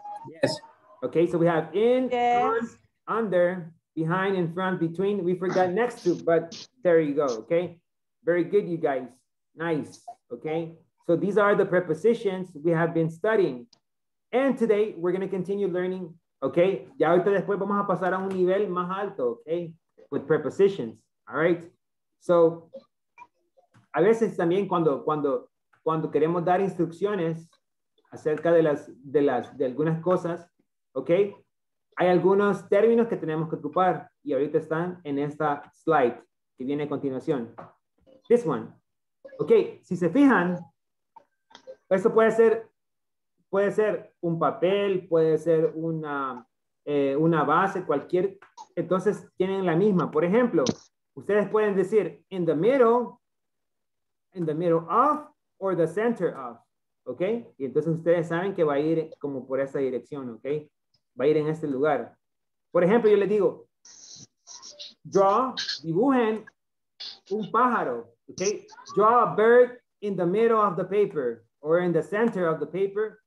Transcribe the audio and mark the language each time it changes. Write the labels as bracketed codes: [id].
[en] Yes. Okay, so we have in, yes. On, under, behind, in front, between. We forgot next to, but there you go, okay? Very good, you guys. Nice, okay? So these are the prepositions we have been studying. And today, we're gonna continue learning, okay? [es] Ya ahorita después vamos a pasar a un nivel más alto, okay? [en] With prepositions, all right? [es] So, a veces también cuando queremos dar instrucciones acerca de algunas cosas, okay? Hay algunos términos que tenemos que ocupar y ahorita están en esta slide que viene a continuación. [en] This one. [es] Okay, si se fijan, esto puede ser un papel, puede ser una base, cualquier. Entonces tienen la misma. Por ejemplo, ustedes pueden decir [en] in the middle of, or the center of. [es] Okay, y entonces ustedes saben que va a ir como por esa dirección, okay. Va a ir en este lugar. Por ejemplo, yo les digo, draw, dibujen un pájaro, okay? [en] Draw a bird in the middle of the paper or in the center of the paper.